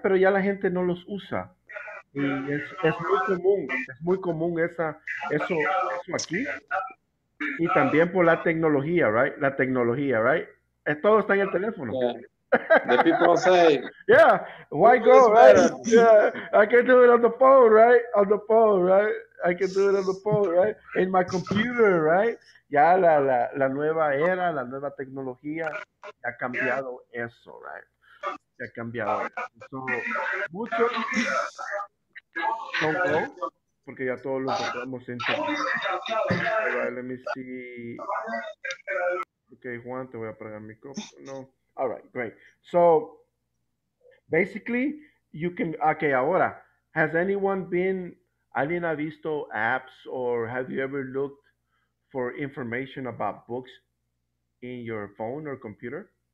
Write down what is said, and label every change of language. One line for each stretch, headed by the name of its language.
Spanish: Pero ya la gente no los usa. Y es muy común eso aquí. Y también por la tecnología,
English: right?
Spanish: La tecnología, right? Todo está en el teléfono.
English: Yeah. The people say. Yeah, why go, right? Yeah. I can do it on the phone, right? On the phone, right? I can do it on the phone, right? In my computer, right?
Spanish: Ya la nueva era, la nueva tecnología, ha cambiado eso,
English: right?
Spanish: Ha cambiado eso.
English: So,
Spanish: muchos
English: don't go,
Spanish: porque ya todos los encontramos en internet.
English: All right, let me see.
Spanish: Okay, Juan, te voy a apagar mi copo.
English: No. All right, great. So, basically, you can, okay,
Spanish: ahora,
English: has anyone been...
Spanish: ¿Alguien ha visto apps
English: or have you ever looked for information about books in your phone or computer?